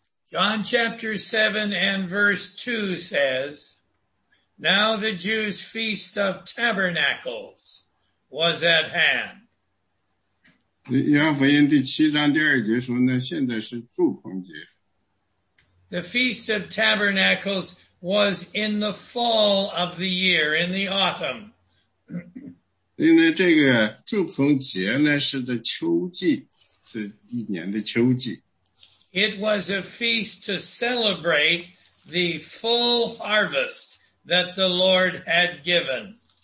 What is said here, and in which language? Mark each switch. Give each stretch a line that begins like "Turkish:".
English: John chapter 7 and verse 2 says, Now the Jews' feast of tabernacles was at hand.
Chinese: 约翰福音第七章第二节说呢，现在是祝棚节。
English: The feast of tabernacles was in the fall of the year, in the autumn.
Chinese: 因为这个祝棚节呢，是在秋季，是一年的秋季。
English: It was a feast to celebrate the full harvest that the Lord had given.